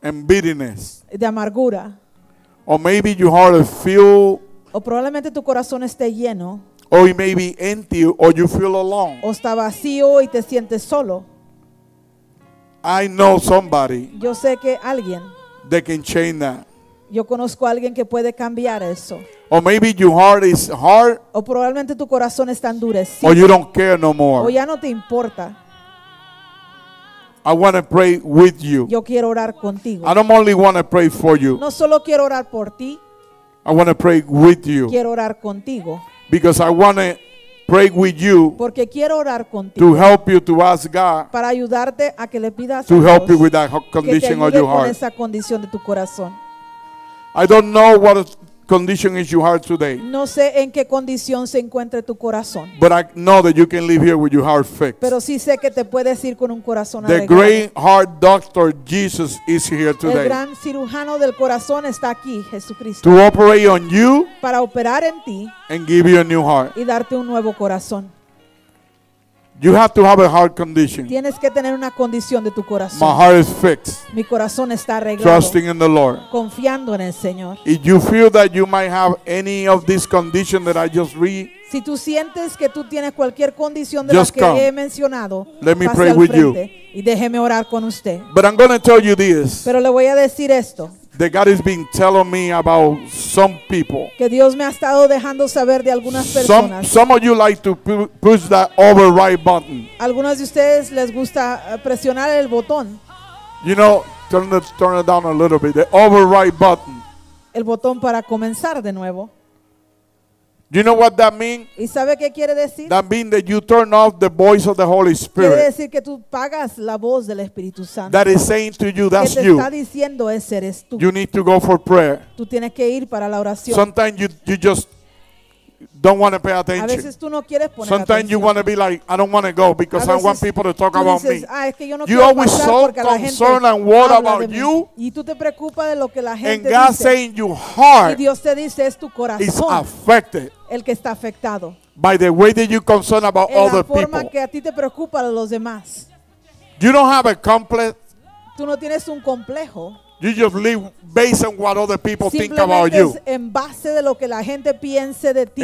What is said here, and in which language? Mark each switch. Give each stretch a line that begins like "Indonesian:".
English: And bitterness.
Spanish: De amargura.
English: Or maybe your heart is filled.
Spanish: O probablemente tu corazón esté lleno.
English: Or it may be empty or you feel alone.
Spanish: O está vacío y te sientes solo.
English: I know somebody.
Spanish: Yo sé que alguien.
English: They can change that.
Spanish: Yo conozco a alguien que puede cambiar eso.
English: Or maybe your heart is hard.
Spanish: O probablemente tu corazón está endurecido.
English: Or you don't care no more.
Spanish: O ya no te importa.
English: I want to pray with you.
Spanish: Yo quiero orar contigo.
English: I don't only want to pray for you.
Spanish: No solo quiero orar por ti.
English: I want to pray with you.
Spanish: Quiero orar contigo.
English: Because I want to pray with you.
Spanish: Porque quiero orar contigo.
English: To help you to ask God.
Spanish: Para ayudarte a que le pidas a Dios.
English: To help you with that condition of your heart.
Spanish: Que te ayude con esa condición de tu corazón.
English: I don't know what condition is your heart today.
Spanish: No sé en qué condición se encuentra tu corazón.
English: But I know that you can live here with your heart fixed.
Spanish: Pero sí sé que te puedes ir con un corazón arreglado.
English: The great heart doctor Jesus is here today.
Spanish: El gran cirujano del corazón está aquí, Jesucristo.
English: To operate on you.
Spanish: Para operar en ti.
English: And give you a new heart.
Spanish: Y darte un nuevo corazón.
English: You have to have a heart condition.
Spanish: Tienes que tener una condición de tu corazón.
English: My heart is fixed.
Spanish: Mi corazón está arreglado.
English: Trusting in the Lord.
Spanish: Confiando en el Señor.
English: If you feel that you might have any of these conditions that I just read,
Spanish: Si tú sientes que tú tienes cualquier condición de las que he mencionado,
English: let me pray with you.
Spanish: Y déjeme orar con usted.
English: But I'm going to tell you this.
Spanish: Pero le voy a decir esto.
English: That God has been telling me about some people.
Spanish: Que Dios me ha estado dejando saber de algunas personas.
English: Some of you like to push that override button.
Spanish: Algunas de ustedes les gusta presionar el botón.
English: You know, turn it down a little bit. The override button.
Spanish: El botón para comenzar de nuevo.
English: You know what that means?
Spanish: ¿Y sabe qué quiere decir?
English: That means that you turn off the voice of the Holy Spirit.
Spanish: Quiere decir que tú pagas la voz del Espíritu Santo.
English: That is saying to you, that's you.
Spanish: Que te está diciendo ese eres tú.
English: You need to go for prayer.
Spanish: Tú tienes que ir para la oración.
English: Sometimes you just don't want to pay attention.
Spanish: A veces tú no quieres poner
English: sometimes
Spanish: atención.
English: You want to be like, I don't want to go because
Spanish: veces,
English: I want people to talk
Spanish: dices,
English: about me.
Spanish: Ah, es que yo no
English: you're always so concerned and worried about you.
Spanish: Y tú te preocupas de lo que la gente
English: and God's
Spanish: dice.
English: Saying your heart
Spanish: y Dios te dice, es tu corazón
English: is affected
Spanish: el que está afectado.
English: By the way that you're concerned about
Spanish: en
English: other
Spanish: la forma
English: people.
Spanish: Que a ti te preocupa de los demás.
English: You don't have a complex.
Spanish: Tú no tienes un complejo.
English: You just live based on what other people think about you.
Spanish: En base de lo que la gente piense de ti.